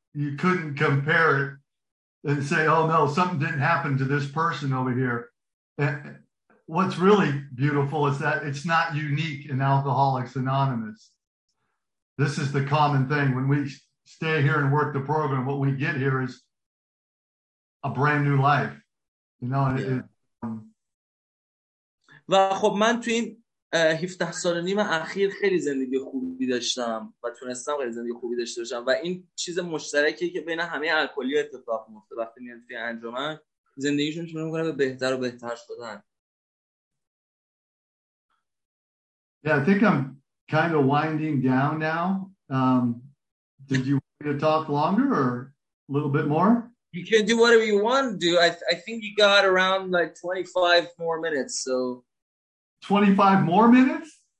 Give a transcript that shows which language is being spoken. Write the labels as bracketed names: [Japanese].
[English] you couldn't compare it and say, oh no, something didn't happen to this person over here. And what's really beautiful is that it's not unique in Alcoholics Anonymous. This is the common thing. When we stay here and work the program, what we get here is a brand new life. You know, yeah. It, [Persian] و خب من تو این 17 سال و نیم اخیر خیلی زندگی خوبی داشتم و تونستم خیلی زندگی خوبی داشته باشم و این چیز مشترکیه که بین همه الکلی ها اتفاق میفته. وقتی میان توی انجمن زندگیشون شروع میکنه به بهتر و بهتر شدن. [English] Yeah, I think I'm kind of winding down now. Did you want me to talk longer or a little bit more? You can do whatever you want to do. I think you got around like 25 more minutes. So 25 more minutes?